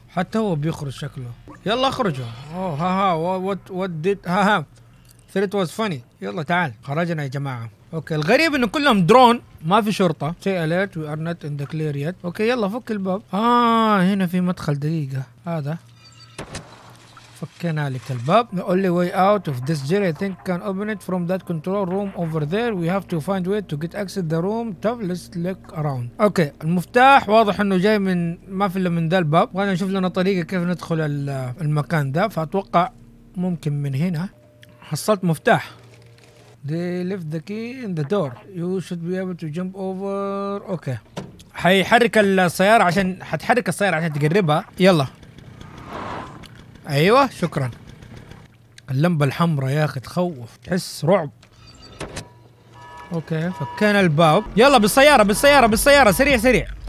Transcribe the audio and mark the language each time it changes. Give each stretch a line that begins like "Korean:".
Arabic: حتى هو بيخرج شكله. يلا اخرجوا. اوه ها ها
English: Threat was funny.
Arabic: يلا تعال خرجنا يا جماعه. اوكي الغريب انه كلهم درون، ما في شرطه.
English: See alert we are not in the clear yet.
Arabic: اوكي يلا فك الباب. هنا في مدخل. دقيقه هذا فكينا لك الباب.
English: The only way out of this jail I think can open it from that control room over there. We have to find way to get access the room. Tough, let's look around.
Arabic: اوكي المفتاح واضح انه جاي من، ما في الا من ذا الباب. وانا نشوف لنا طريقه كيف ندخل المكان ذا، فاتوقع ممكن من هنا. حصلت مفتاح.
English: They left the key in the door. You should be able to jump over.
Arabic: اوكي حيحرك السياره عشان، حتحرك السياره عشان تقربها. يلا ايوه شكرا. اللمبه الحمراء يا اخي تخوف، تحس رعب. اوكي فكينا الباب. يلا بالسياره بالسياره بالسياره، سريع سريع.